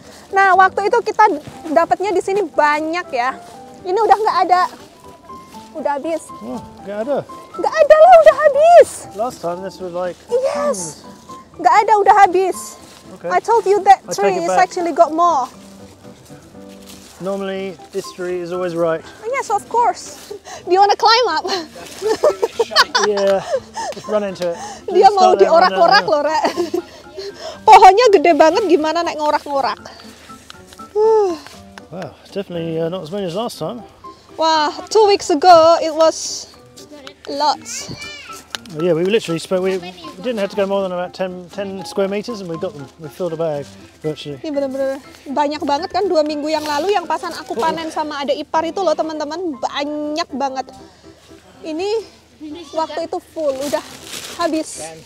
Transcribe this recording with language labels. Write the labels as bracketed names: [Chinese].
[Indonesian] Nah, waktu itu kita dapatnya di sini banyak ya. Ini udah enggak ada. Udah habis. Enggak ada. Enggak ada lah, udah habis. [English] Last time this was like. Yes. [Indonesian] Enggak ada, udah habis. [English] Okay. I told you that tree is actually got more. Normally, this tree is always right. Yes, of course. Do you want to climb up? Yeah, just run into it. [Indonesian] Dia mau diorak-orak loh, Rek. Pohonnya gede banget, gimana naik ngorak-ngorak? [English] Wow, definitely not as many as last time. Wow, 2 weeks ago, it was lots. Yeah, we literally spent, we didn't have to go more than about 10 square meters and we got them. We filled a bag virtually. [Indonesian] Ini benar-benar banyak banget kan, 2 minggu yang lalu yang pasan aku panen sama ada ipar itu loh, teman-teman. Banyak banget. Ini waktu itu full, udah habis.